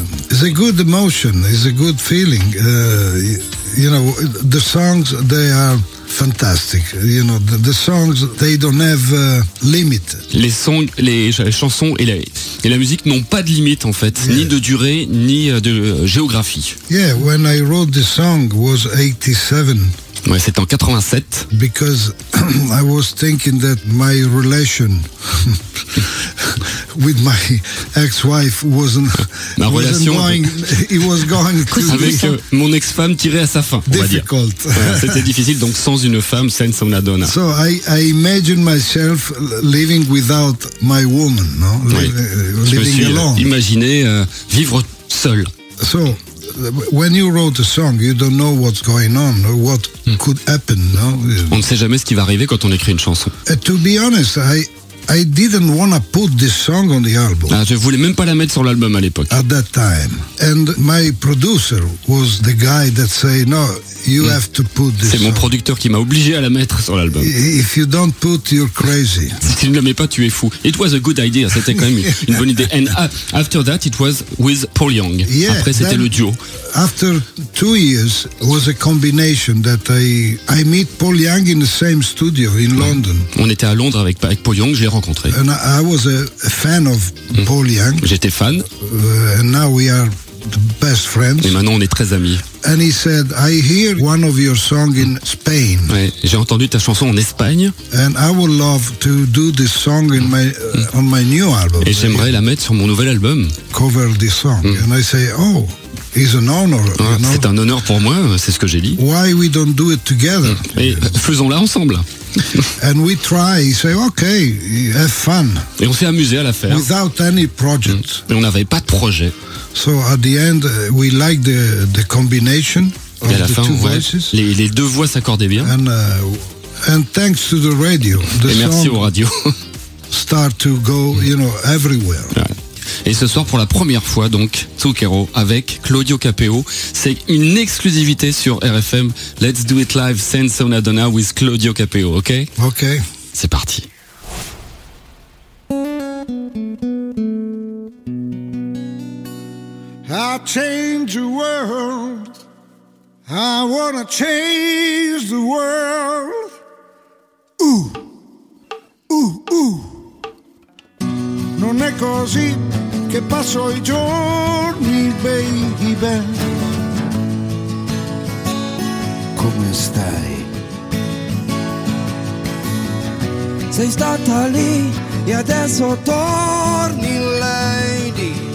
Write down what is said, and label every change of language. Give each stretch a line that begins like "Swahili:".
English: It's a good emotion, it's a good feeling. You know, the songs, they are fantastic. You know, the songs, they don't have limit.
French: Les songs, les chansons et la musique n'ont pas de limite en fait, ni de durée, ni de géographie.
English: Yeah, when I wrote the song was 87.
French: Ouais, c'était en 87.
English: Because I was thinking that my relation with my ex-wife wasn't
French: ma relation
English: wasn't going, it was going to
French: avec mon ex-femme tirait à sa fin, on
English: difficult.
French: Va dire. Ouais, c'était difficile donc sans une femme, sans una donna.
English: So I imagine myself living without my woman, no?
French: Oui.
English: Living alone.
French: Je me suis imaginé vivre seul.
English: So when you wrote a song, you don't know what's going on, what could happen. No?
French: On ne sait jamais ce qui va arriver quand on écrit une chanson.
English: To be honest, I didn't want to put this song on the album.
French: Ah, je voulais même pas la mettre sur l'album à l'époque.
English: At that time, and my producer was the guy that said, no, you have to put this.
French: C'est mon producteur qui m'a obligé à la mettre sur l'album.
English: If you don't put, you're crazy.
French: Si tu ne la mets pas, tu es fou.
English: It was a good idea.
French: C'était quand même une bonne idée.
English: And after that, it was with Paul Young. Yeah,
French: après, c'était le duo.
English: After 2 years, was a combination that I meet Paul Young in the same studio in London.
French: On était à Londres avec Paul Young. Rencontré.
English: And I was a fan of Paul Young.
French: J'étais fan.
English: And now we are the best friends.
French: Et maintenant on est très amis.
English: And he said, I hear one of your songs in Spain.
French: Ouais, j'ai entendu ta chanson en Espagne.
English: And I would love to do this song in my on my new album.
French: Et j'aimerais la mettre sur mon nouvel album.
English: Cover this song. And I say, oh. It's an honor,
French: ah,
English: you know?
French: C'est un honneur pour moi, c'est ce que j'ai dit.
English: Why we don't do it together?
French: Et faisons-la ensemble.
English: And we try, say, okay, have fun.
French: Et on s'est amusé à la faire.
English: Without any project.
French: Mais on n'avait pas de projet.
English: So at the end, we like the combination of
French: la
English: the
French: fin,
English: two voices.
French: Les deux voix s'accordaient bien.
English: And thanks to the radio.
French: Et merci aux radios.
English: Start to go, you know, everywhere.
French: Ouais. Et ce soir, pour la première fois, donc, Zucchero avec Claudio Capeo. C'est une exclusivité sur RFM.
English: Let's do it live, Senza una donna with Claudio Capeo, ok? Ok.
French: C'est parti.
English: I'll change the world. I wanna change the world. Ooh, ooh, ooh.
Italian: Non è così che passo i giorni, baby. Come stai? Sei stata lì e adesso torni, lady.